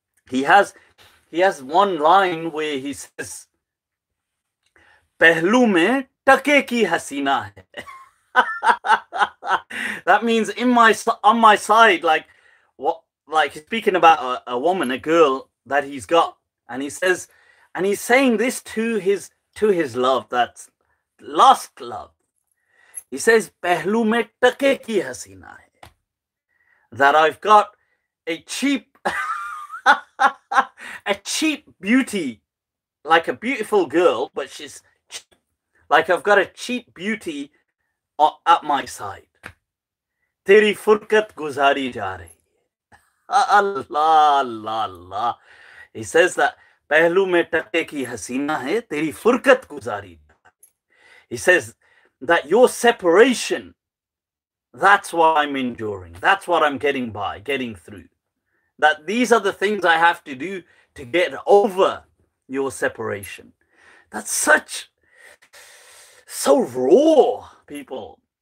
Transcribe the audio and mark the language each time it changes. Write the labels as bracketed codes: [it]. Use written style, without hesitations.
[en] He has one line where he says, [ur] "Pehlu mein take ki haseena hai." [en] That means on my side, like what? Like he's speaking about a woman, a girl that he's got, and he says, and he's saying this to his love, that lost love. He says, [ur] "پہلو میں ٹکے کی حسینہ ہے۔" [en] That I've got a cheap beauty, like a beautiful girl, but she's like, I've got a cheap beauty at my side. [ur] تیری فرقت گزاری جا رہی۔ Allah, Allah, Allah. [en] He says that [ur] پہلو میں ٹکے کی حسینہ ہے، تیری فرقت گزاری۔ [en] He says that your separation, that's what I'm enduring. That's what I'm getting by, getting through. That these are the things I have to do to get over your separation. That's so raw, people.